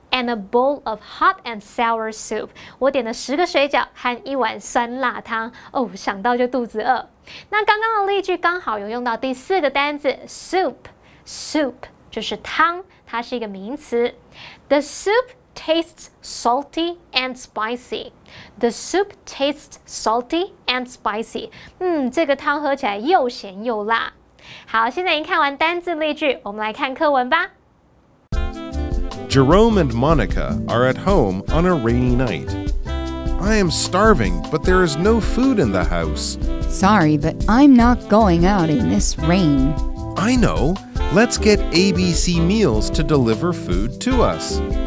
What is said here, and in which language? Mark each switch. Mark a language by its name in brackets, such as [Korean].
[English] And a bowl of hot and sour soup. [Chinese] 我点了10个水饺和一碗酸辣汤。哦，想到就肚子饿。那刚刚的例句刚好有用到第四个单字 soup. [English] Soup [Chinese] 就是汤，它是一个名词。 [English] The soup tastes salty and spicy. The soup tastes salty and spicy. [Chinese] 这个汤喝起来又咸又辣。好，现在已经看完单字例句，我们来看课文吧。 [English] Jerome and Monica are at home on a rainy night. I am starving, but there is no food in the house. Sorry, but I'm not going out in this rain. I know. Let's get ABC Meals to deliver food to us.